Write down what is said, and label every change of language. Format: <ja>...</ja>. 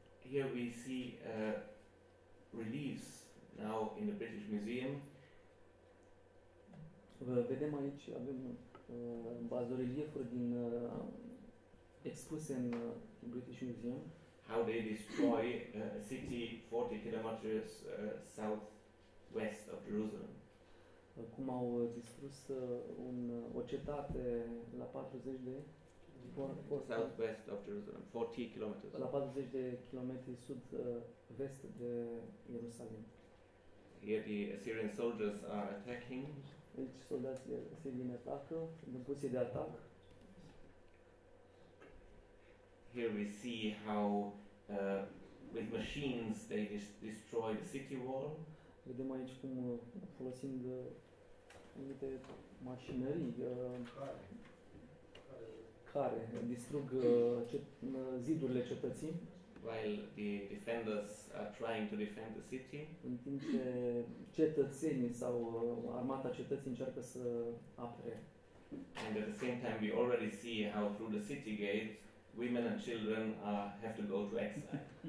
<en>Here we see reliefs now in the British Museum.</en> <ro>Vedem aici, avem bazoreliefuri din expuse în British Museum.</ro> <en>How they destroy a city 40 kilometers southwest of Jerusalem.</en> <ro>Cum au distrus o cetate la 40 de</ro> <en>southwest of Jerusalem, 40 kilometers.</en> <ro>La 40 de kilometri sud vest de Ierusalim.</ro> <en>Here the Assyrian soldiers are attacking.</en> <ro>Aici soldații asirieni atacă, în poziție de atac.</ro> <en>Here we see how with machines they destroy the city wall.</en> <ro>Vedem aici cum folosind anumite mașinării care distrug zidurile cetății.</ro> <en>While the defenders are trying to defend the city.</en> <ro>În timp ce cetățenii sau armata cetății încearcă să apere.</ro> <en>And at the same time we already see how through the city gate women and children have to go to exile.</en>